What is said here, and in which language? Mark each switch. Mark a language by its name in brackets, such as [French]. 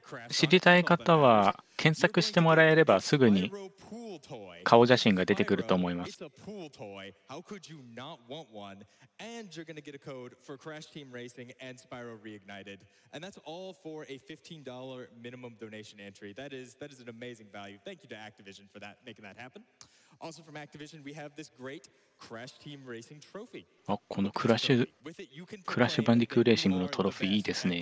[Japanese] 知りたい方は検索してもらえればすぐに顔写真が出てくると思います。 [English] And you're going to get a code for Crash Team Racing and Spyro Reignited. And that's all for a $15 minimum donation entry. That is an amazing value. Thank you to Activision for that, making that happen. Also from Activision, we have this great Crash Team Racing trophy. [Japanese] あ、このクラッシュバンディクーレーシングのトロフィーいいですね。